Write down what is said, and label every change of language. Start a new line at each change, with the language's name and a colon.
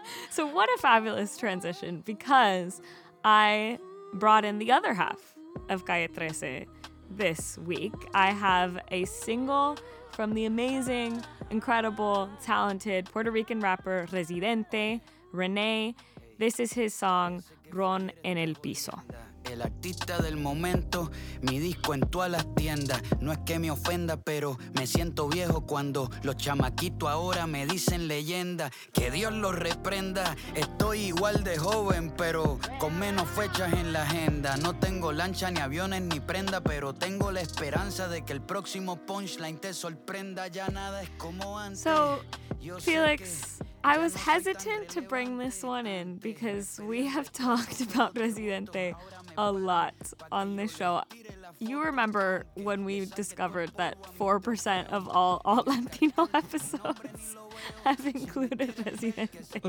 English: So what a fabulous transition, because I brought in the other half of Calle 13 this week. I have a single from the amazing, incredible, talented Puerto Rican rapper Residente, René. This is his song, Ron en el Piso.
Spanish: El artista del momento, mi disco en todas las tiendas. No es que me ofenda, pero me siento viejo cuando los chamaquitos ahora me dicen leyenda. Que Dios los reprenda, estoy igual de joven, pero con menos fechas en la agenda. No tengo lancha, ni aviones, ni prenda, pero tengo la esperanza de que el próximo punchline te sorprenda. Ya nada es como antes.
English: So, Felix, I was hesitant to bring this one in because we have talked about Residente a lot on this show. You remember when we discovered that 4% of all Latino episodes have included Residente.